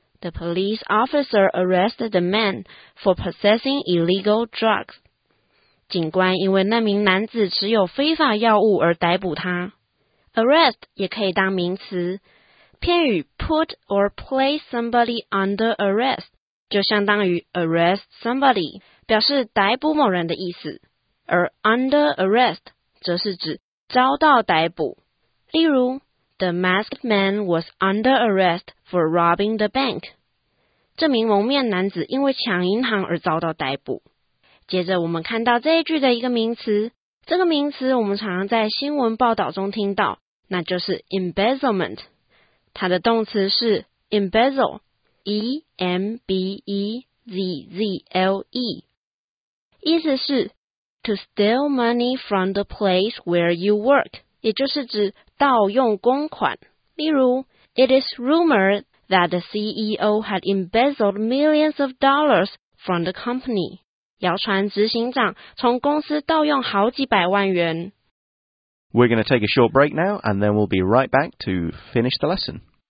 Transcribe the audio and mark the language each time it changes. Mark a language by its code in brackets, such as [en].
[en] The police officer arrested the man for possessing illegal drugs. [zh] 警官因为那名男子持有非法药物而逮捕他。 Arrest 也可以当名词，片语 [en] put or place somebody under arrest [zh] 就相当于 [en] arrest somebody， [zh] 表示逮捕某人的意思，而 [en] under arrest [zh] 则是指遭到逮捕。例如 [en] ，The masked man was under arrest for robbing the bank。 [zh] 这名蒙面男子因为抢银行而遭到逮捕。接着我们看到这一句的一个名词，这个名词我们常常在新闻报道中听到，那就是 embezzlement。它的动词是 embezzle， 意思是 [en] to steal money from the place where you work， [zh] 也就是指盗用公款。例如 [en] ，It is rumored that the CEO had embezzled millions of dollars from the company。 [zh] 谣传执行长从公司盗用好几百万元。 [en] We're going to take a short break now, and then we'll be right back to finish the lesson.